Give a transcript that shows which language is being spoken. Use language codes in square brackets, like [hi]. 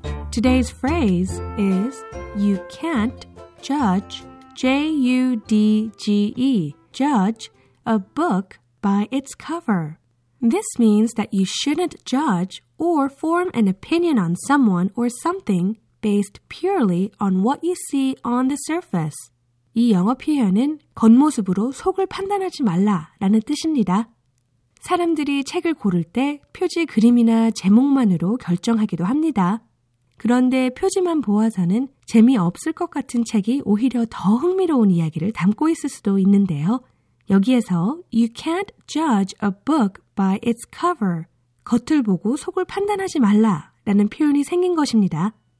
[en] Today's phrase is... You can't judge, J-U-D-G-E, judge a book by its cover. This means that you shouldn't judge or form an opinion on someone or something based purely on what you see on the surface. [ko] 이 영어 표현은 겉모습으로 속을 판단하지 말라라는 뜻입니다. 사람들이 책을 고를 때 표지 그림이나 제목만으로 결정하기도 합니다. 그런데 표지만 보아서는 재미없을 것 같은 책이 오히려 더 흥미로운 이야기를 담고 있을 수도 있는데요. 여기에서 [en] You can't judge a book by its cover. [ko] 겉을 보고 속을 판단하지 말라 라는 표현이 생긴 것입니다.